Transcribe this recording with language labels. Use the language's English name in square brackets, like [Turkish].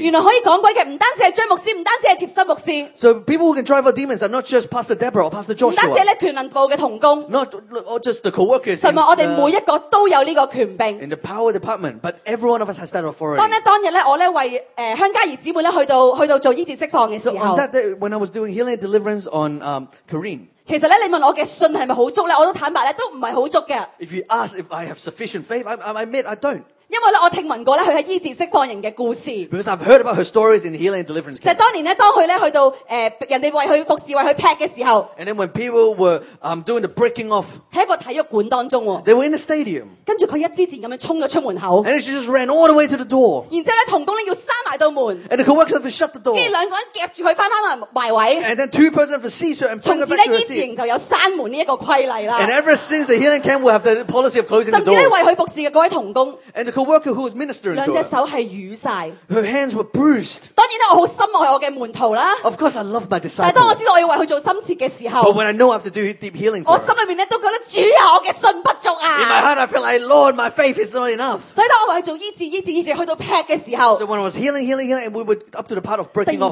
[Cantonese] 原来可以赶鬼嘅唔单止系张牧师，唔单止系贴身牧师。 [English] So people who can drive out demons are not just Pastor Deborah or Pastor Joshua. [Cantonese] 唔单止咧全能部嘅童工。 [English] Not just the co-workers. [Cantonese] 神话我哋每一个都有呢个权柄。 [English] In the power department, but every one of us has that authority. [Cantonese] 当日咧，我咧为香佳儿姊妹咧去到做医治释放嘅时候。 [English] So on that day, when I was doing healing and deliverance on Corinne. [Cantonese] 其实咧，你问我嘅信系咪好足咧，我都坦白咧，都唔系好足嘅。 [English] If you ask if I have sufficient faith, I admit I don't. [Cantonese] 因为我听闻过咧，佢系医治释放人嘅故事。 [English] Because I've heard about her stories in healing and deliverance. [Cantonese] 就系当年咧，当佢咧去到人哋为佢服侍、为佢劈嘅时候。 [English] And then when people were doing the breaking off. [Cantonese] 喺一个体育馆当中。 [English] They were in a stadium. [Cantonese] 跟住佢一支箭咁样冲咗出门口。 [English] And she just ran all the way to the door. [Cantonese] 然之后咧，童工咧要闩埋道门。 [English] And the co-worker had to shut the door. [Cantonese] 跟住两个人夹住佢翻翻埋位。 [English] And then two persons for seize her and bring her back to her seat. [Cantonese] 从此咧，医治就有闩门呢一个规例啦。 [English] And ever since the healing camp, we have the policy of closing the door. [Cantonese] 甚至咧，为佢服侍嘅各位童工。 [English] Co-worker who was ministering to her. [Cantonese] 两只手系瘀晒。 [English] Her hands were bruised. [Cantonese] 当然咧，我好深爱我嘅门徒啦。 [English] Of course, I love my disciple. [Cantonese] 但系当我知道我要为佢做深切嘅时候 [English] ，But when I know I have to do deep healing, [Cantonese] 我心里面咧都觉得主啊，我嘅信不足啊。 [English] In my heart, I feel like Lord, my faith is not enough. [Cantonese] 所以当我为佢做医治、医治、医治，去到劈嘅时候 [English] ，So when I was healing, healing, healing, and we were up to the part of breaking off,